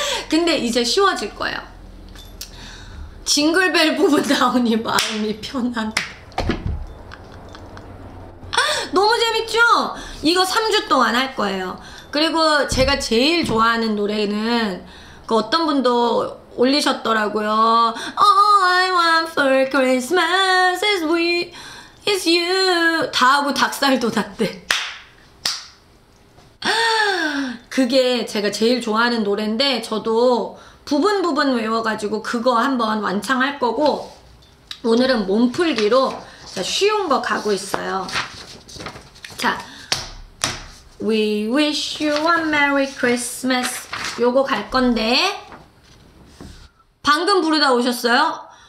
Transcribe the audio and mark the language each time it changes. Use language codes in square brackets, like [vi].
[ko] 근데 이제 쉬워질 거예요. 징글벨 부분 나오니 마음이 편한. 너무 재밌죠? 이거 3주 동안 할 거예요. 그리고 제가 제일 좋아하는 노래는 그 어떤 분도 올리셨더라고요. [en] All I want for Christmas is with is you. [ko] 다 하고 닭살도 났대. 그게 제가 제일 좋아하는 노래인데 저도 부분 부분 외워가지고 그거 한번 완창할 거고 오늘은 몸풀기로 쉬운 거 가고 있어요. 자, We wish you a Merry Christmas 요거 갈 건데 방금 부르다 오셨어요?